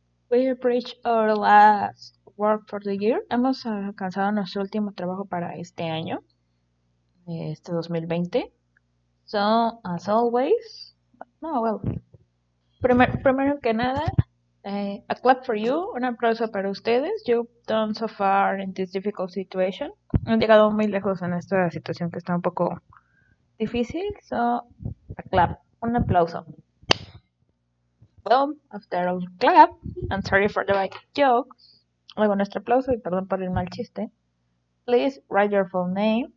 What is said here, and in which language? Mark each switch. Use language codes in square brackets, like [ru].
[en] We reached our last work for the year. [es] Hemos alcanzado nuestro último trabajo para este año, este 2020. [en] So, as always, no, well, [es] primero que nada, [en] a clap for you, [es] un aplauso para ustedes. [en] You've done so far in this difficult situation. [es] Han llegado muy lejos en esta situación que está un poco difícil. [en] So, a clap, [es] un aplauso. [en] Well, after all clap, and sorry for the bad jokes, [es] luego nuestro aplauso y perdón por el mal chiste. [en] Please write your full name.